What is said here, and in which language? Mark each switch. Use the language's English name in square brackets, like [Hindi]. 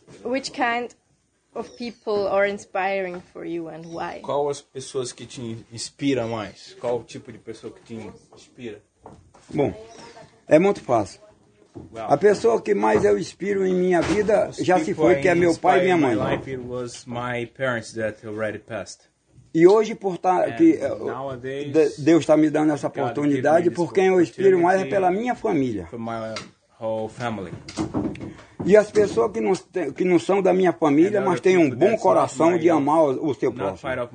[English] Which kind of people are inspiring for you and why? [Portuguese] Qual as pessoas que te inspiram mais? Qual o tipo de pessoa que te inspira? Bom, é muito fácil. A pessoa que mais eu inspiro em minha vida já se foi, que é meu pai e minha mãe. [English] Life, it was my parents that already passed. [Portuguese] E hoje, por estar aqui, Deus está me dando essa oportunidade, por quem eu inspiro mais é pela minha família. [English] For my whole family. [Portuguese] E as pessoas que não são da minha família, mas têm um bom coração de amar o seu próximo.